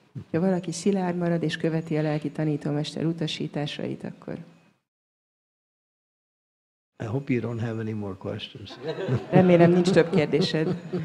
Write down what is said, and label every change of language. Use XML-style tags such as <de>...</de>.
<hu>ha valaki szilárd marad és követi a lelki tanítómester utasításait, akkor.</hu> <en>I hope you don't have any more questions.</en> <hu>Remélem nincs több kérdésed.</hu>